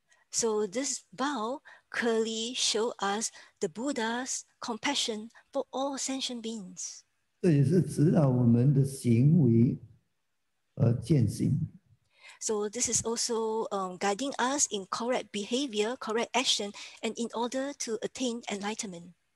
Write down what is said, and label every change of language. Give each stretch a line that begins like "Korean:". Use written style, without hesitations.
English: So this vow clearly shows us the Buddha's compassion for all sentient beings.
Chinese: 这也是指导我们的行为和见性。
English: So this is also guiding us in correct behavior, correct action, and in order to attain enlightenment.